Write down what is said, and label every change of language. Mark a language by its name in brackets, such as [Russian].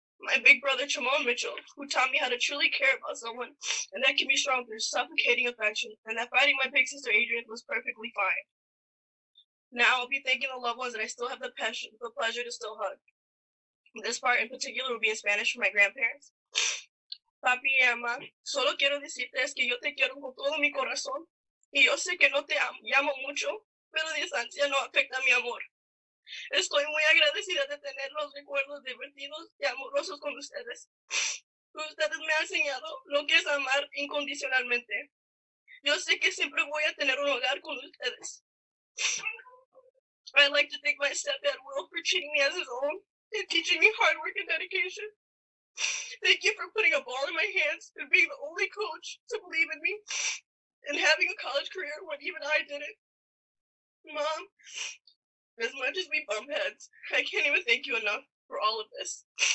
[English] My big brother, Tramon Mitchell, who taught me how to truly care about someone and that can be strong through suffocating affection, and that fighting my big sister, Adrian, was perfectly fine. Now I'll be thanking the loved ones that I still have the pleasure to still hug. This part in particular will be in Spanish for my grandparents. [Spanish] Papi y mamá, solo quiero decirte es que yo te quiero con todo mi corazón. Y yo sé que no te llamo mucho, pero distancia no afecta mi amor. Estoy muy agradecida de tener los recuerdos divertidos y amorosos con ustedes. Ustedes me han enseñado lo que es amar incondicionalmente. Yo sé que siempre voy a tener un hogar con ustedes. [English] I'd like to thank my stepdad Will for treating me as his own and teaching me hard work and dedication. Thank you for putting a ball in my hands and being the only coach to believe in me and having a college career when even I didn't. Mom, as much as we bump heads, I can't even thank you enough for all of this.